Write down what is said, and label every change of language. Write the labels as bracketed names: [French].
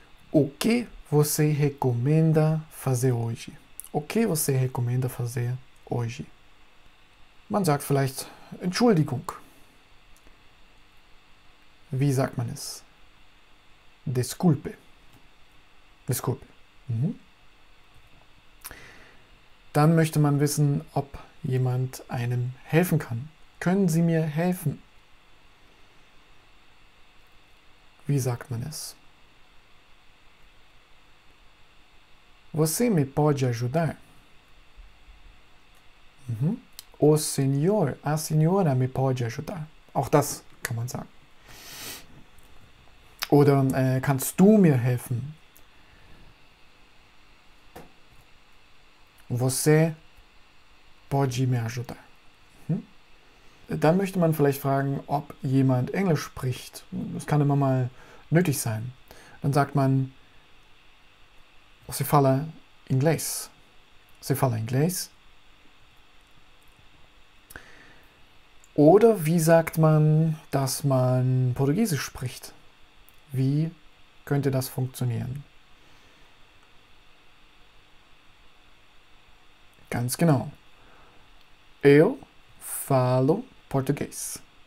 [Portuguese] O que você recomenda fazer hoje? O que você recomenda fazer hoje? [German] Man sagt vielleicht Entschuldigung. Wie sagt man es? [Portuguese] Desculpe. Desculpe. [German] Dann möchte man wissen, ob jemand einem helfen kann. Können Sie mir helfen? Wie sagt man es? [Portuguese] Você me pode ajudar? O senhor, a senhora me pode ajudar? [German] Auch das kann man sagen. Oder kannst du mir helfen? [Portuguese] Você pode me ajudar? [German] Dann möchte man vielleicht fragen, ob jemand Englisch spricht. Das kann immer mal nötig sein. Dann sagt man, [Portuguese] Você fala inglês? Você fala inglês? [German] Oder wie sagt man, dass man Portugiesisch spricht? Wie könnte das funktionieren? Ganz genau. [Portuguese] Eu falo Portugies.